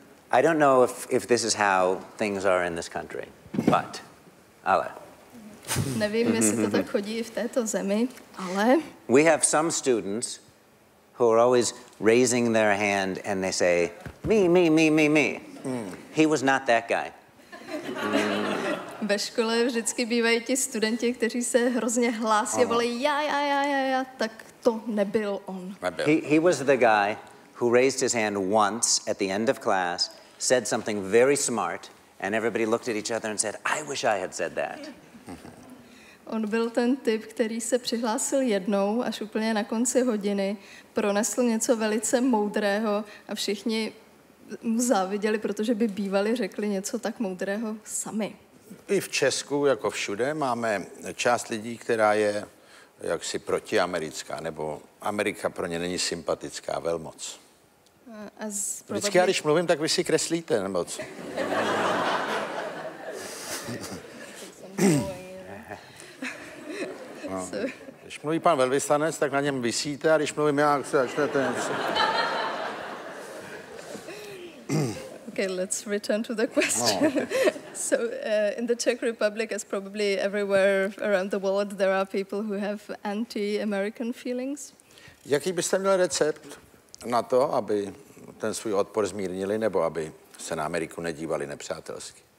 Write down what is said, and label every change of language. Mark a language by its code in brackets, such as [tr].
[en] I don't know if this is how things are in this country, but... [cs] Ale. Nevím, jestli to tak chodí i v této zemi, ale... [en] We have some students who are always raising their hand and they say, me. He was not that guy. [cs] Ve škole vždycky bývají ti studenti, kteří se hrozně hlásí, volají já, tak to nebyl on. [en] He was the guy who raised his hand once at the end of class, said something very smart, and everybody looked at each other and said, I wish I had said that. [cs] On byl ten typ, který se přihlásil jednou, až úplně na konci hodiny, pronesl něco velice moudrého a všichni mu záviděli, protože by bývali řekli něco tak moudrého sami. I v Česku, jako všude, máme část lidí, která je jaksi protiamerická, nebo Amerika pro ně není sympatická velmoc. Vždycky já, když mluvím, tak vy si kreslíte, nebo co? No. Když mluví pan velvyslanec, tak na něm visíte, a když mluvím já, se začnete něco. [en] Okay, let's return to the question. No. So, in the Czech Republic, as probably everywhere around the world, there are people who have anti-American feelings. [cs] Jaký byste měl recept na to, aby ten svůj odpor zmírnili, nebo aby se na Ameriku nedívali nepřátelsky?